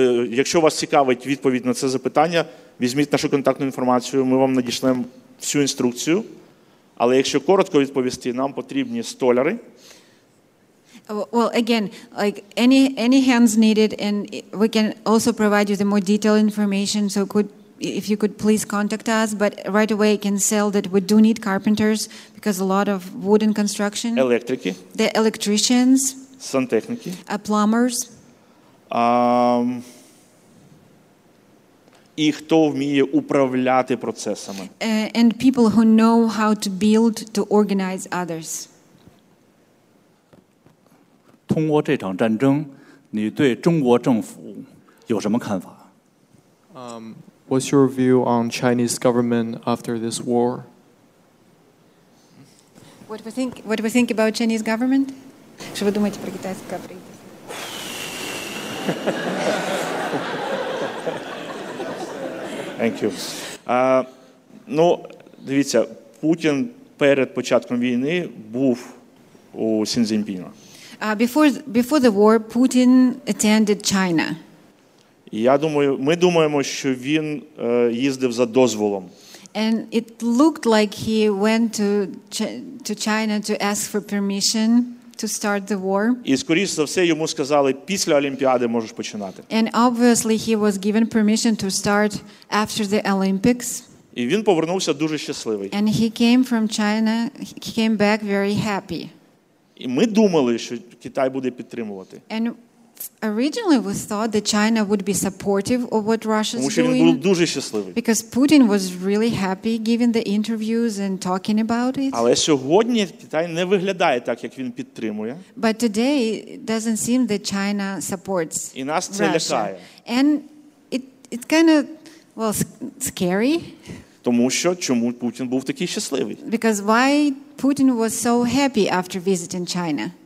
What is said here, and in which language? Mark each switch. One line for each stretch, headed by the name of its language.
Ukrainian: Якщо вас цікавить відповідь на це запитання, візьміть нашу контактну інформацію, ми вам надішлемо всю інструкцію. Але якщо коротко відповісти, нам потрібні столяри.
English: Well, again, like any hands needed, and we can also provide you the more detailed information. So, if you could please contact us, but right away I can sell that we do need carpenters because a lot of wooden construction.
Ukrainian: Електрики.
English: The electricians.
Ukrainian: Сантехніки.
English: Plumbers.
Ukrainian: І хто вміє управляти процесами.
English: And people who know how to build, to organize others.
Chinese: 通过这场战争，你对中国政府有什么看法？
English: What's your view on Chinese government after this war? What do we think about Chinese government?
Ukrainian: Що ви думаєте про китайське правительство?
English: Thank you.
Ukrainian: Ну, дивіться, Путін перед початком війни був у Сі Цзіньпіна.
English: Before the war, Putin attended China.
Ukrainian: Ми думаємо, що він їздив за дозволом.
English: And it looked like he went to China to ask for permission to start the war.
Ukrainian: І, скоріше за все, йому сказали, після Олімпіади можеш починати.
English: And obviously he was given permission to start after the Olympics.
Ukrainian: І він повернувся дуже щасливий.
English: And he came from China, he came back very happy.
Ukrainian: І ми думали, що Китай буде підтримувати.
English: And originally we thought that China would be supportive of what Russia's doing.
Ukrainian: Тому що він був дуже щасливий.
English: Because Putin was really happy giving the interviews and talking about it.
Ukrainian: Але сьогодні Китай не виглядає так, як він підтримує.
English: But today it doesn't seem that China supports Russia.
Ukrainian: І нас це лякає.
English: And it kind of, well, scary.
Ukrainian: Тому що чому Путін був такий щасливий?
English: Because why Putin was so happy after visiting China?